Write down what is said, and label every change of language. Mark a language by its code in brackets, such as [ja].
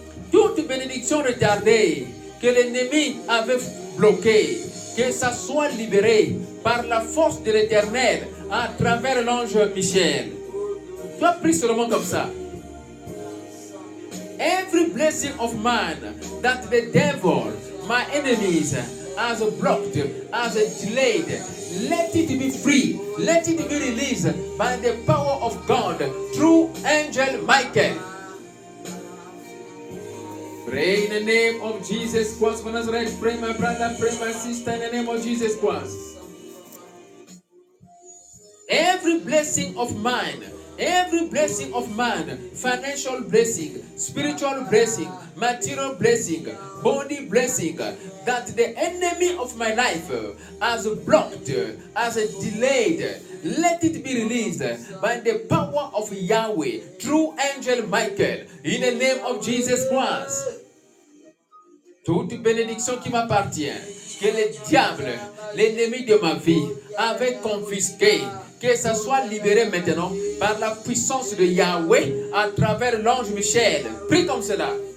[fr] Toute bénédiction retardée que l'ennemi avait bloquée, que ça soit libéré par la force de l'Éternel à travers l'ange Michel. Tu as pris seulement comme ça. [en] Every blessing of man that the devil, my enemies, as blocked, as delayed, let it be free, let it be released by the power of God through Angel Michael. Pray in the name of Jesus Christ for Nazareth. Pray, my brother, pray, my sister, in the name of Jesus Christ. Every blessing of man, financial blessing, spiritual blessing, material blessing, body blessing, that the enemy of my life has blocked, has delayed, let it be released by the power of Yahweh, true angel Michael, in the name of Jesus Christ. [fr] Toute bénédiction qui m'appartient, que le diable, l'ennemi de ma vie, avait confisqué, que ça soit libéré maintenant par la puissance de Yahweh à travers l'ange Michel. Prie comme cela.